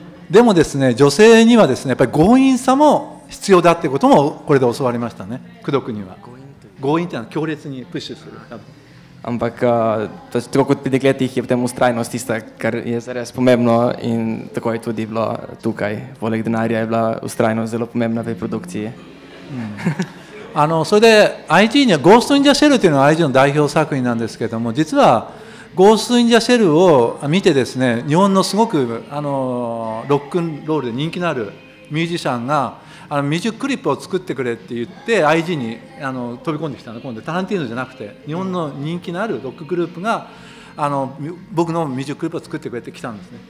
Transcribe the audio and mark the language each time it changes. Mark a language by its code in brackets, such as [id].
[ja] でもですね、女性にはですね、やっぱり強引さも必要だってこともこれで教わりましたね、功徳には。強引というのは強烈にプッシュする。 [sl] Ampak, tako kot pri dekletih je potem ustrajnost tista, kar je zares pomembno in tako je tudi bilo tukaj. Poleg denarja je bila ustrajnost zelo pomembna v produkciji. [ja] それで IG にはゴーストインジャシェルというのは IG の代表作品なんですけども、実はゴーストインジャシェルを見てですね、日本のすごくロックンロールで人気のあるミュージシャンがミュージッククリップを作ってくれって言って IG に飛び込んできたの。今度タランティーノじゃなくて日本の人気のあるロックグループが僕のミュージッククリップを作ってくれてきたんですね。